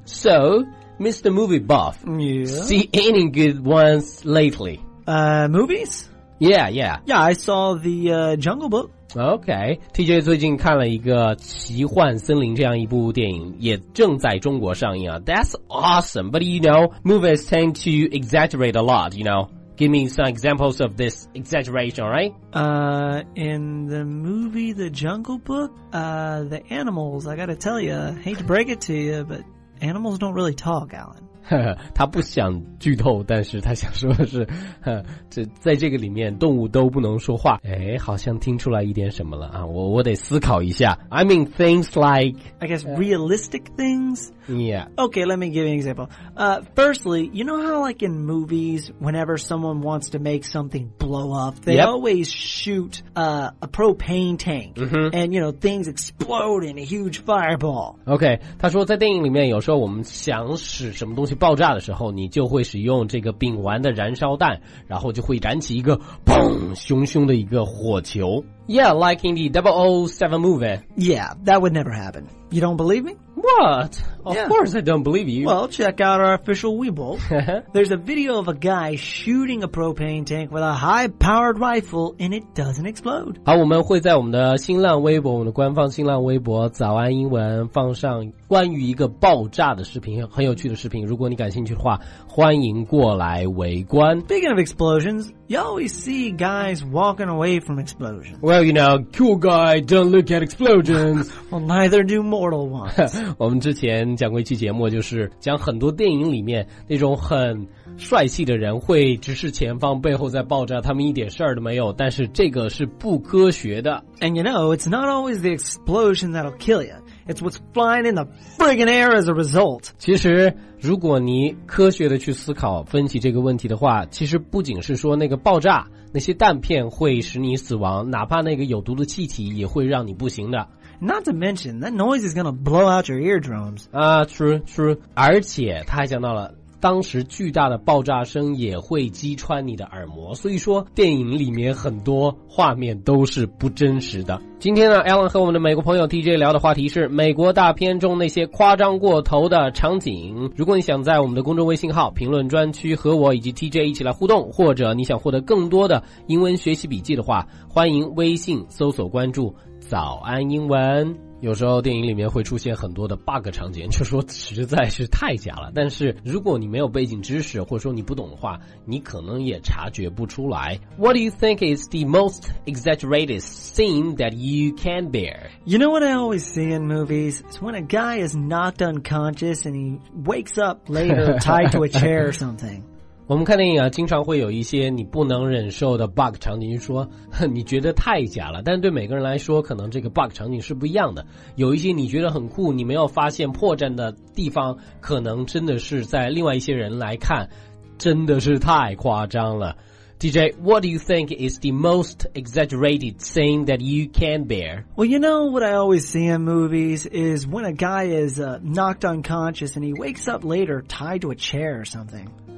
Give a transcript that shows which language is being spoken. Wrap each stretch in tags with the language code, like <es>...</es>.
<en>So, Mr. Movie Buff,、 yeah. see any good ones lately? Movies? Yeah, yeah. Yeah, I saw the、Jungle Book.</en> <zh>Okay, TJ 最近看了一个奇幻森林这样一部电影，也正在中国上映啊。</zh> <en>That's awesome, but you know, movies tend to exaggerate a lot, you know. Give me some examples of this exaggeration, all right? In the movie The Jungle Book, the animals, I gotta tell you, hate to break it to you, but animals don't really talk, Alan.</en> <zh>他不想剧透，但是他想说的是这在这个里面动物都不能说话。哎，好像听出来一点什么了啊，我得思考一下。</zh> <en>I mean things like I guess realistic things. Yeah. Okay, let me give you an example. Firstly, you know how like in movies, whenever someone wants to make something blow up, they、 yep. always shoot a propane tank、 mm-hmm. and you know things explode in a huge fireball.</en> <zh>Okay, 他说在电影里面有时候我们想使什么东西爆炸的时候，你就会使用这个丙烷的燃烧弹，然后就会燃起一个砰熊熊的一个火球。</zh> <en>Yeah, like in the 007 movie. Yeah, that would never happen. You don't believe me? What? Of、yeah. course I don't believe you. Well, check out our official Weibo. There's a video of a guy shooting a propane tank with a high-powered rifle and it doesn't explode.</en> <zh>好，我们会在我们的新浪微博，我们的官方新浪微博早安英文放上关于一个爆炸的视频，很有趣的视频，如果你感兴趣的话欢迎过来围观。</zh> <en>Speaking of explosions, you always see guys walking away from explosions. Well, you know, cool guy don't look at explosions. Well, neither do mortal ones.</en> <zh>我们之前讲过一期节目，就是讲很多电影里面那种很帅气的人会直视前方，背后在爆炸，他们一点事儿都没有，但是这个是不科学的。</zh> <en>And you know, it's not always the explosion that'll kill you. It's what's flying in the friggin' air as a result.</en> <zh>其实如果你科学的去思考分析这个问题的话，其实不仅是说那个爆炸，那些弹片会使你死亡，哪怕那个有毒的气体也会让你不行的。</zh> <en>Not to mention, that noise is going to blow out your eardrums. True.</en> <zh>而且他还讲到了当时巨大的爆炸声也会击穿你的耳膜，所以说电影里面很多画面都是不真实的。今天呢， Alan 和我们的美国朋友 TJ 聊的话题是美国大片中那些夸张过头的场景。如果你想在我们的公众微信号评论专区和我以及 TJ 一起来互动，或者你想获得更多的英文学习笔记的话，欢迎微信搜索关注早安英文。有时候电影里面会出现很多的 bug 场景，就说实在是太假了，但是如果你没有背景知识或者说你不懂的话，你可能也察觉不出来。</zh> <en>What do you think is the most exaggerated scene that you can bear? You know what I always see in movies? It's when a guy is knocked unconscious and he wakes up later tied to a chair or something.</en> <zh>我们看电影啊，经常会有一些你不能忍受的 bug 场景，说你觉得太假了，但对每个人来说可能这个 bug 场景是不一样的。有一些你觉得很酷你没有发现破绽的地方，可能真的是在另外一些人来看真的是太夸张了。</zh> <en>DJ, what do you think is the most exaggerated scene that you can bear? Well, you know what I always see in movies is when a guy is knocked unconscious and he wakes up later tied to a chair or something.</en>